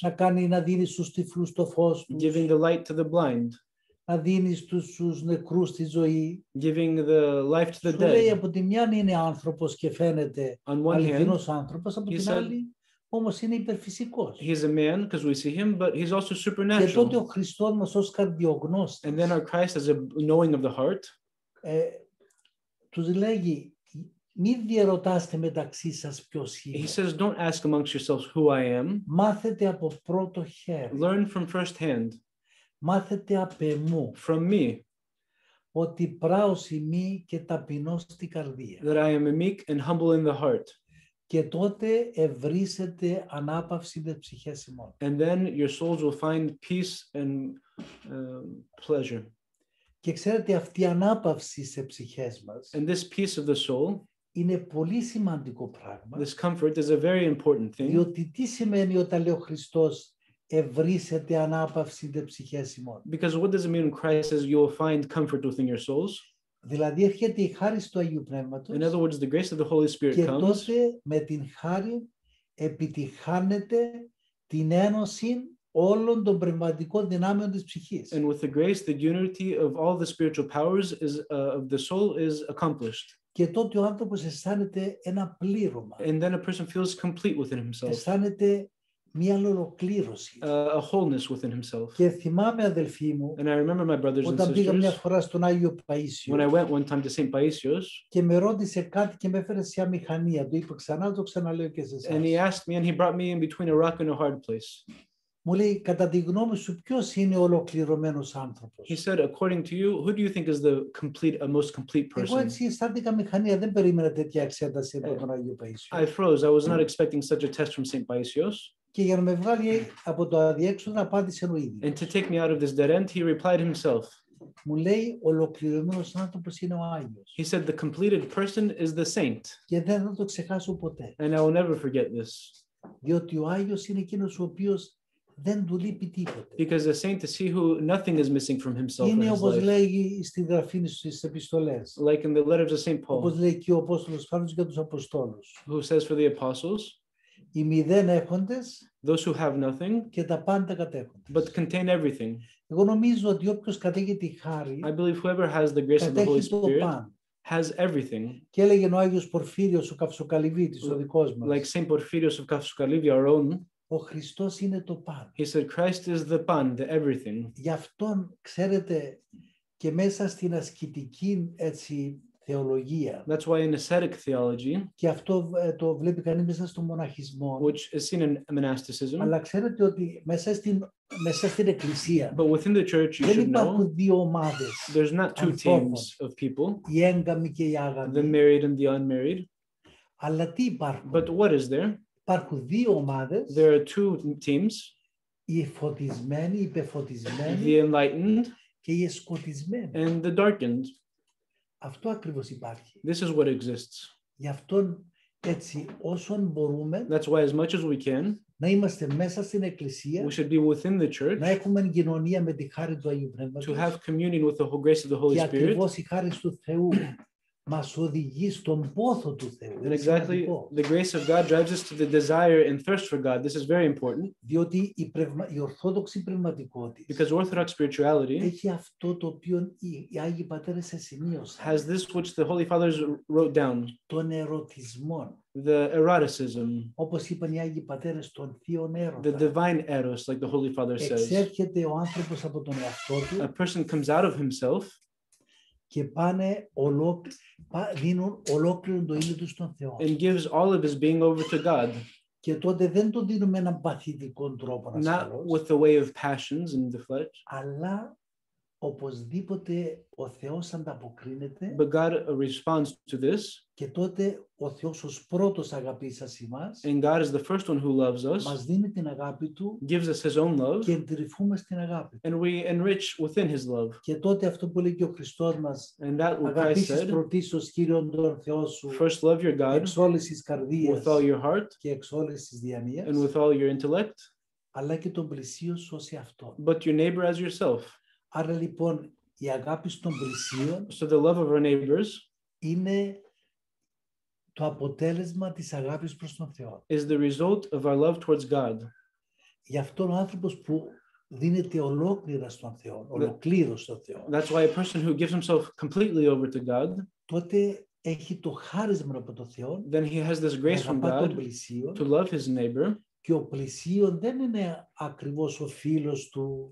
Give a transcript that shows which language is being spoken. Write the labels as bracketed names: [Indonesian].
[Greek] να κάνει να δίνει στους τυφλούς το φως, [English] giving the light to the blind, [Greek] να δίνει στους νεκρούς τη ζωή, [English] giving the life to the [Greek] σου [English] dead. [Greek] Λέει, από τη μια είναι άνθρωπος και φαίνεται αληθινός άνθρωπος, από την άλλη όμως είναι υπερφυσικός. [English] He's a man because we see him, but he's also supernatural. [Greek] Και τότε ο Χριστός μας ως καρδιογνώστης. [English] And then our Christ as a knowing of the heart. [Greek] Τους λέγει, μη διερωτάστε μεταξύ σας ποιος είμαι. [English] He says, don't ask amongst yourselves who I am. [Greek] Μάθετε από πρώτο χέρι. [English] Learn from first hand. [Greek] Μάθετε από εμού. [English] From me. [Greek] Ότι πράος ημί και ταπεινός στη καρδία. [English] That I am meek and humble in the heart. [Greek] Και τότε ευρίσκεται ανάπαυση της ψυχής ημών. [English] And then your souls will find peace and pleasure. [Greek] Και ξέρετε αυτή η ανάπαυση σε ψυχές μας. [English] And this peace of the soul. [Greek] Είναι πολύ σημαντικό πράγμα. [English] This comfort is a very important thing. [Greek] Διότι τι σημαίνει όταν λέει ο Χριστός ευρίσκεται ανάπαυση τη ψυχή ημών. [English] Because what does it mean when Christ says you will find comfort within your souls? [Greek] Δηλαδή έρχεται η χάρη του Αγίου Πνεύματος. [English] In other words, the grace of the Holy Spirit [Greek] και [English] comes. [Greek] Και τότε με την χάρη επιτυχάνεται την ένωση όλων των πνευματικών δυνάμεων της ψυχής. [English] And with the grace, the unity of all the spiritual powers is, of the soul is accomplished. [Greek] Και τότε ο άνθρωπος αισθάνεται ένα πλήρωμα. [English] And then a person feels complete within himself. [Greek] Αισθάνεται μια ολοκλήρωση. [English] A wholeness within himself. [Greek] Και θυμάμαι, αδελφοί μου, [English] and I remember my brothers and sisters, [Greek] όταν πήγα μια φορά στον Άγιο Παΐσιο, [English] when I went one time to St. Paisios, [Greek] και με ρώτησε κάτι και με έφερε σε αμηχανία. Του είπα ξανά, το ξαναλέω και σε εσάς. [English] And he asked me and he brought me in between a rock and a hard place. [Greek] Μου λέει, κατά τη γνώμη σου, ποιος είναι ο ολοκληρωμένος άνθρωπος. [English] He said, according to you, who do you think is the complete, a most complete person? [Greek] Εγώ έτσι αισθάνθηκα μηχανία, δεν περίμενα τέτοια εξέταση από τον Άγιο Παΐσιο. [English] I froze, I was not expecting such a test from St. Paisios. [Greek] Και για να με βγάλει από το αδιέξοδο, απάντησε ο ίδιος. [English] And to take me out of this dead end, he replied himself. [Greek] Μου λέει, ολοκληρωμένος άνθρωπος είναι ο Άγιος. [English] He said, the completed person is the saint. [Greek] Και δεν θα το ξεχάσω ποτέ. [English] And I will never forget this. [Greek] Διότι ο Άγιος είναι εκείνος ο οποίος δεν του λείπει τίποτε. [English] Because the saint is he who nothing is missing from himself. [Greek] Είναι όπως λέγει στην γραφή στις επιστολές. [English] Like in the letter of St. Paul. [Greek] Όπως λέει και ο Απόστολος Παύλος για τους Αποστόλους. [English] Who says for the apostles? [Greek] Οι μηδέν έχοντες. [English] Those who have nothing. [Greek] Και τα πάντα κατέχοντες. [English] But contain everything. [Greek] Εγώ νομίζω ότι όποιος κατέχει τη χάρη. [English] I believe whoever has the grace of the Holy Spirit. Has everything. [Greek] Και έλεγε ο Άγιος Πορφύριος ο Καυσοκαλυβίτης, ο δικός μας. [English] Like St. Porphyrios of Kafsoukalivi, our own. [Greek] Ο Χριστός είναι το παν. [English] He said, Christ is the pan, the everything. [Greek] Γι' αυτόν, ξέρετε, και μέσα στην ασκητική έτσι, θεολογία. [English] That's why in ascetic theology. [Greek] Και αυτό το βλέπει κανείς μέσα στο μοναχισμό. [English] Which is seen in monasticism. [Greek] Αλλά ξέρετε ότι μέσα στην εκκλησία. [English] But within the church, you [Greek] δεν [English] should [Greek] υπάρχουν [English] know, [Greek] δύο ομάδες. [English] There's not two teams of people. [Greek] Οι έγκαμοι και οι άγαμοι. [English] The married and the unmarried. [Greek] Αλλά τι υπάρχουν. [English] But what is there? [Greek] Υπάρχουν δύο ομάδες. [English] There are two teams. [Greek] Οι φωτισμένοι, οι υπεφωτισμένοι. [English] The enlightened. [Greek] Και οι εσκοτισμένοι. [English] And the darkened. [Greek] Αυτό ακριβώς υπάρχει. [English] This is what exists. [Greek] Γι' αυτόν έτσι όσον μπορούμε. [English] That's why as much as we can. [Greek] Να είμαστε μέσα στην εκκλησία. [English] We should be within the church. [Greek] Να έχουμε κοινωνία με τη χάρη του Αγίου Πνεύματος. [English] To have communion with the whole grace of the Holy Spirit. [Greek] Και ακριβώς η χάρη του Θεού. Μας οδηγεί στον πόθο του Θεού. [English] And exactly, the grace of God drives us to the desire and thirst for God. This is very important. [Greek] Διότι η ορθόδοξη πνευματικότητα. [English] Because orthodox spirituality. [Greek] Έχει αυτό το οποίο οι Άγιοι Πατέρες σημείωσαν. [English] Has this which the Holy Fathers wrote down. [Greek] Τον ερωτισμόν. [English] The eroticism. [Greek] Όπως είπαν οι Άγιοι Πατέρες, τον θείο έρωτα. [English] The divine eros, like the Holy Father says. [Greek] Εξέρχεται ο άνθρωπος από τον εαυτό του. [English] A person comes out of himself. [Greek] Και πάνε δίνουν ολόκληρο το είναι τους στον Θεό. [English] And gives all of his being over to God. [Greek] Και τότε δεν το δίνουμε με έναν παθητικό τρόπο. [English] Not with the way of passions and the flesh. [Greek] Αλλά οπωσδήποτε ο Θεός ανταποκρίνεται. [English] But God responds to this. [Greek] Και τότε ο Θεός ως πρώτος αγαπεί σας εμάς. [English] And God is the first one who loves us. [Greek] Μας δίνει την αγάπη του. [English] Gives us his own love. [Greek] Και εντρυφούμε στην αγάπη. [English] And we enrich within his love. [Greek] Και τότε αυτό που λέει και ο Χριστός μας. [English] And that what Christ said. [Greek] Αγαπήσεις πρωτίστως Κύριον τον Θεό σου. [English] First love your God. [Greek] Εξ όλης της καρδίας. [English] With all your heart. [Greek] Και εξ όλης της διανοίας. [English] And with all your intellect. [Greek] Αλλά και τον πλησίον σου ως εαυτό. [English] But your neighbor as yourself. [Greek] Άρα λοιπόν η αγάπη στον πλησίον. [English] So the love of our neighbors. [Greek] Είναι το αποτέλεσμα της αγάπης προς τον Θεό. [English] Is the result of our love towards God. [Greek] Γι' αυτό ο άνθρωπος που δίνεται ολόκληρα στον Θεό, ολοκλήρως στον Θεό. [English] That's why a person who gives himself completely over to God. [Greek] Τότε έχει το χάρισμα από τον Θεό. [English] Then he has this grace from God. [Greek] Αγαπά τον πλησίον. [English] To love his neighbor. [Greek] Και ο πλησίον δεν είναι ακριβώς ο φίλος του.